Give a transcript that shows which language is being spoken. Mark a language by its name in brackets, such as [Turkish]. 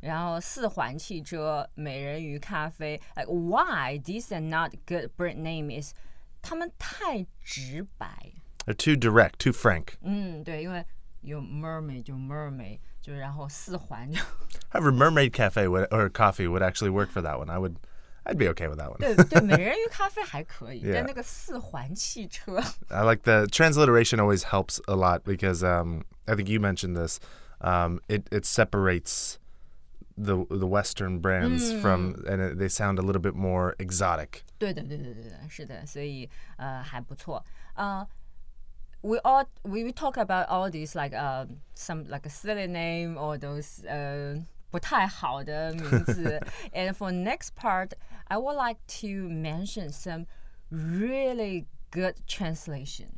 [Chinese] 然后四环汽车美人鱼咖啡 [English] Like why these are not good brand name is [Chinese] 他们太直白 [English] They're too direct, too frank. [Chinese] 对因为有 mermaid, 就 mermaid, 就然后四环 [English] However, mermaid cafe would, or coffee would actually work for that one. I'd be okay with that one. [Chinese] 对，美人鱼咖啡还可以，但那个四环汽车。 [English] I like the transliteration always helps a lot because I think you mentioned this. It separates the Western brands from, and they sound a little bit more exotic. [Chinese] 对的，对的，对的，是的，所以还不错。 [English] We talk about all these like some like a silly name or those [Chinese] 不太好的名字 [English] And for next part, I would like to mention some really good translation.